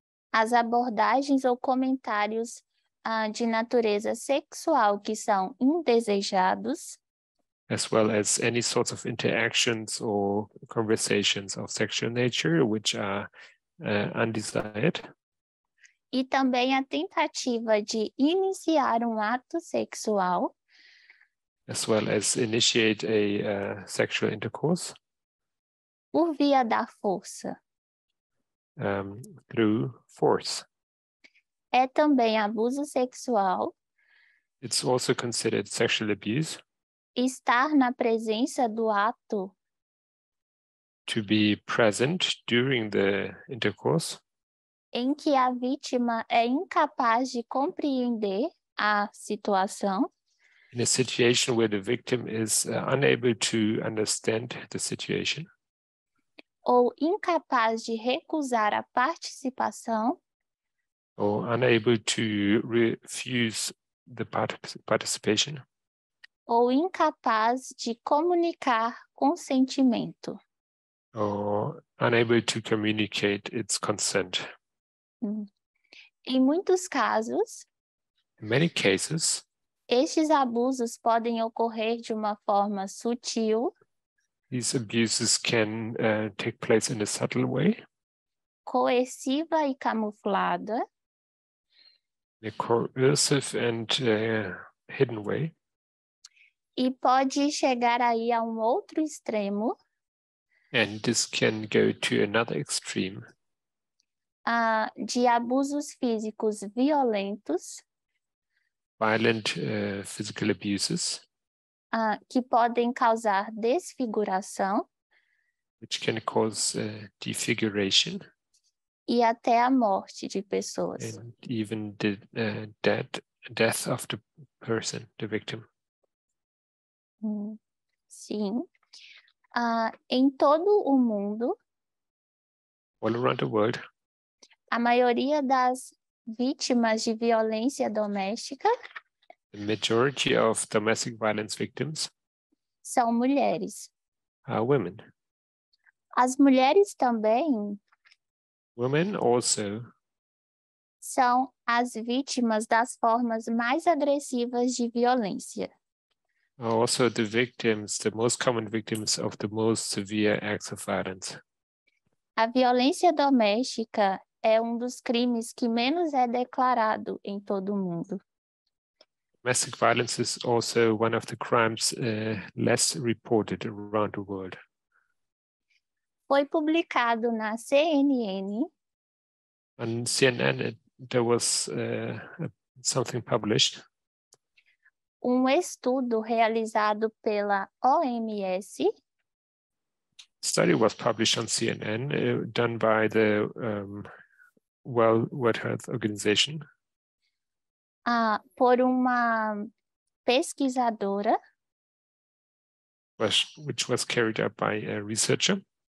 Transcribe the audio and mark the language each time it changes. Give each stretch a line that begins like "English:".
Portuguese: As abordagens ou comentários de natureza sexual que são indesejados.
English: As well as any sorts of interactions or conversations of sexual nature which are undesired.
Portuguese: E também a tentativa de iniciar um ato sexual.
English: As well as initiate a sexual intercourse.
Portuguese: Por via da força.
English: Through force.
Portuguese: É também abuso sexual.
English: It's also considered sexual abuse.
Portuguese: Estar na presença do ato.
English: To be present during the intercourse.
Portuguese: Em que a vítima é incapaz de compreender a situação.
English: In a situation where the victim is unable to understand the situation.
Portuguese: Ou incapaz de recusar a participação.
English: Or unable to refuse the participation.
Portuguese: Ou incapaz de comunicar consentimento.
English: Or unable to communicate its consent.
Portuguese: Em muitos casos,
English: in many cases,
Portuguese: estes abusos podem ocorrer de uma forma sutil.
English: These abuses can take place in a subtle way.
Portuguese: Coerciva e camuflada.
English: In a coercive and hidden way.
Portuguese: E pode chegar aí a um outro extremo.
English: And this can go to another extreme.
Portuguese: De abusos físicos violentos.
English: Violent physical abuses.
Portuguese: Que podem causar desfiguração.
English: Which can cause defiguration.
Portuguese: E até a morte de pessoas.
English: And even the death of the person, the victim.
Portuguese: Sim. Em todo o mundo.
English: All around the world.
Portuguese: A maioria das vítimas de violência doméstica.
English: The majority of domestic violence victims.
Portuguese: São mulheres.
English: Are women.
Portuguese: As mulheres também.
English: Women also.
Portuguese: São as vítimas das formas mais agressivas de violência.
English: Are also the victims, the most common victims of the most severe acts of violence.
Portuguese: A violência doméstica é um dos crimes que menos é declarado em todo o mundo.
English: Domestic violence is also one of the crimes less reported around the world.
Portuguese: Foi publicado na CNN.
English: On CNN, there was something published.
Portuguese: Um estudo realizado pela OMS.
English: Study was published on CNN, done by the World Health Organization.
Portuguese: Por uma pesquisadora.
English: Which was carried out by a researcher.